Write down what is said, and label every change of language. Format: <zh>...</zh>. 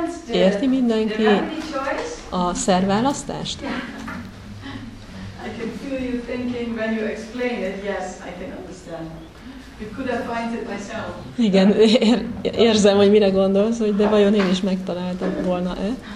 <hu>Érti mindenki a szerválasztást?</hu> <en>I can feel you thinking when you explain it. Yes, I can understand. You could have found it myself.</en> <hu>Igen, érzem, hogy mire gondolsz, hogy de vajon én is megtaláltam volna-e?</hu>